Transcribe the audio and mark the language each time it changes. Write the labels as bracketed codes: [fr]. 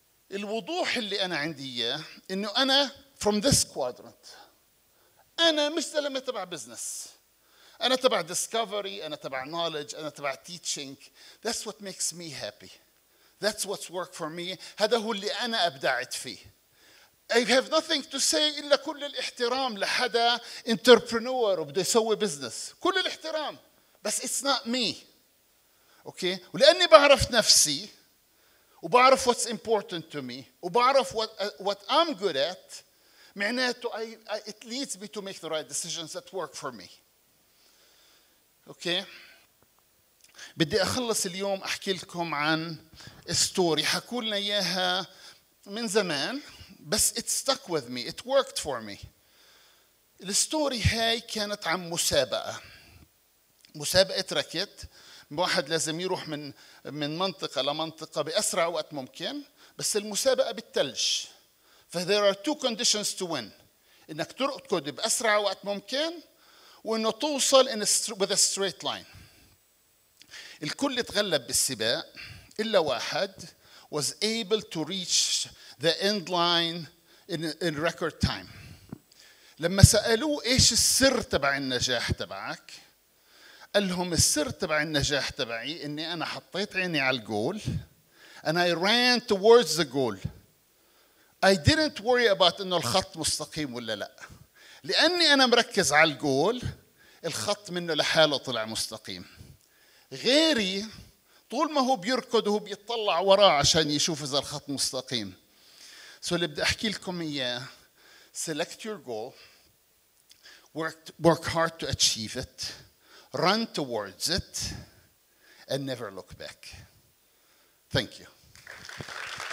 [ar] الوضوح اللي أنا عندي إياه إنه أنا [en] from this quadrant. [ar] أنا مش زلمة تبع business. أنا تبع discovery, أنا تبع knowledge, أنا تبع teaching. [en] That's what makes me happy. That's what's worked for me. [ar] هذا هو اللي أنا أبدعت فيه. [en] I have nothing to say [ar] إلا كل الاحترام لحدا entrepreneur وبده يسوي business. كل الاحترام. [en] بس it's not me. Okay. [ar] ولأني بعرف نفسي وبعرف [en] what's important to me [ar] وبعرف [en] what I'm good at, [ar] معناته [en] it leads me to make the right decisions that work for me. Okay. [ar] بدي أخلص اليوم أحكي لكم عن story حكوا لنا إياها من زمان بس [en] it stuck with me, it worked for me. [ar] الستوري هاي كانت عن مسابقة ركض. واحد لازم يروح من منطقة لمنطقة بأسرع وقت ممكن, بس المسابقة بالتلج. [en] فthere are two conditions to win, [ar] إنك تركض بأسرع وقت ممكن وإنه توصل [en] in with a straight line. [ar] الكل تغلب بالسباق إلا واحد [en] was able to reach the end line in record time. [ar] لما سألوه إيش السر تبع النجاح تبعك, قال لهم السر تبع النجاح تبعي إني أنا حطيت عيني على الجول [en] and I ran towards the goal. I didn't worry about [ar] إنه الخط مستقيم ولا لا, لأني أنا مركز على الجول الخط منه لحاله طلع مستقيم. غيري طول ما هو بيركض وهو بيطلع وراه عشان يشوف إذا الخط مستقيم. [en] So [ar] اللي بدي أحكي لكم إياه, [en] select your goal, work hard to achieve it, run towards it, and never look back. Thank you.